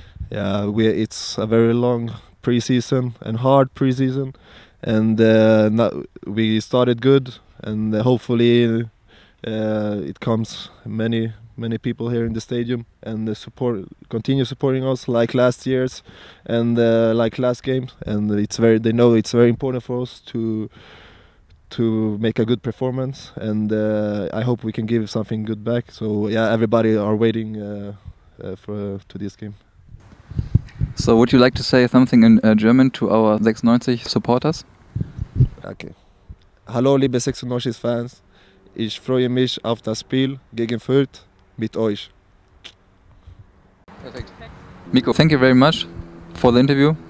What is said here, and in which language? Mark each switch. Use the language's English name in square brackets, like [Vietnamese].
[English] Yeah, it's a very long preseason and hard preseason, and we started good, and hopefully it comes many people here in the stadium and the support continue supporting us like last year's and like last games, and it's very important for us to make a good performance, and I hope we can give something good back. So yeah, everybody are waiting to this game. So would you like to say something in German to our 96 supporters? Okay. [German] Hallo liebe 96 Fans, ich freue mich auf das Spiel gegen Fürth mit euch. [English] Perfect. Miiko, thank you very much for the interview.